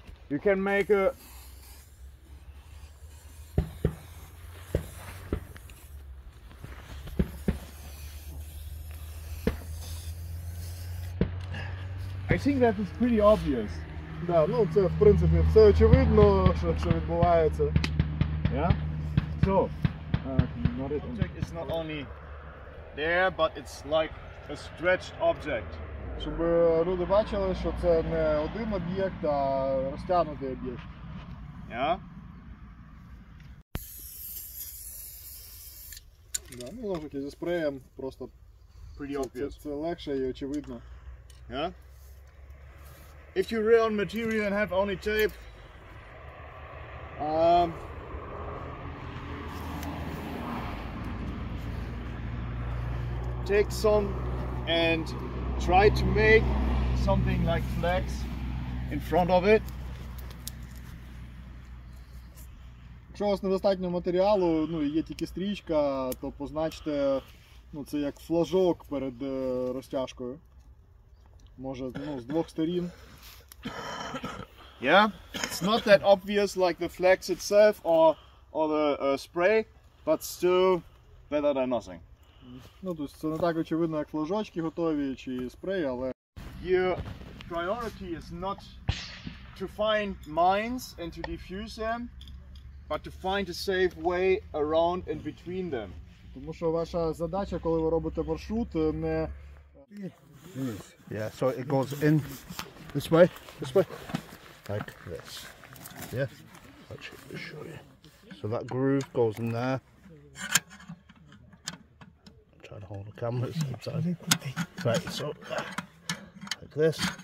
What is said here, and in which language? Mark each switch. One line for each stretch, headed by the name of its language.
English: You can make a... I think that is pretty obvious.
Ukrainian: Да, це в принципі все очевидно, що відбувається.
English: Yeah? So, object is not only there, but it's like a stretched object.
Ukrainian: Щоб люди бачили, що це не один об'єкт, а розтягнутий об'єкт.
English: Yeah?
Ukrainian: Ну, знову ж таки, зі спреєм просто
English: pretty obvious.
Ukrainian: Це легше і очевидно.
English: Yeah? If you rely on material and have only tape, take some and try to make something like flex in front of it.
Ukrainian: Якщо у вас недостатньо матеріалу, є тільки стрічка, то позначте це як флажок перед розтяжкою. Може, з двох сторін.
English: Yeah, it's not that obvious like the flex itself or the spray, but still better than nothing.
Ukrainian: Тобто це не так очевидно, як флажочки готові чи спрей, але
English: your priority is not to find mines and to defuse them, but to find a safe way around and between them.
Ukrainian: Тому що ваша задача, коли ви робите маршрут, не
English: Yeah, so it goes in this way, like this. Yeah. Actually, let me show you. So that groove goes in there. And hold the camera inside. Right, so like this.